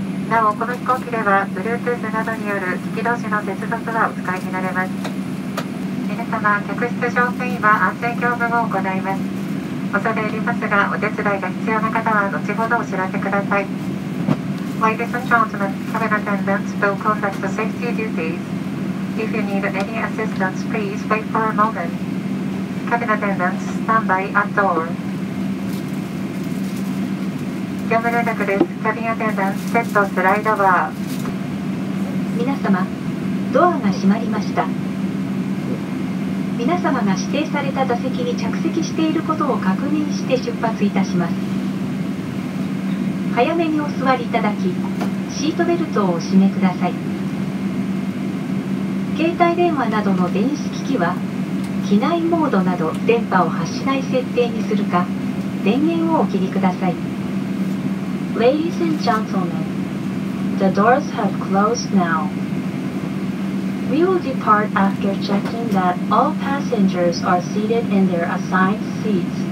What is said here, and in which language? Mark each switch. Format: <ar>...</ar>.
<ja>なお、この飛行機では Bluetooth などによる機器同士の接続はお使いになれます。皆様、客室乗務員は安全業務を行います。恐れ入りますが、お手伝いが必要な方は後ほどお知らせください。</ja> <en>Ladies and gentlemen, cabin attendants will conduct the safety duties. If you need any assistance, please wait for a moment. Cabin attendants, stand by at door.</en> <ja>業務連絡です。</ja> <en>Cabin attendants,</en> <ja>セットスライドバー。皆様、ドアが閉まりました。皆様が指定された座席に着席していることを確認して出発いたします。早めにお座りいただき、シートベルトをお締めください。携帯電話などの電子機器は、機内モードなど電波を発しない設定にするか、電源をお切りください。</ja> <en>Ladies and gentlemen, the doors have closed now. We will depart after checking that all passengers are seated in their assigned seats.</en>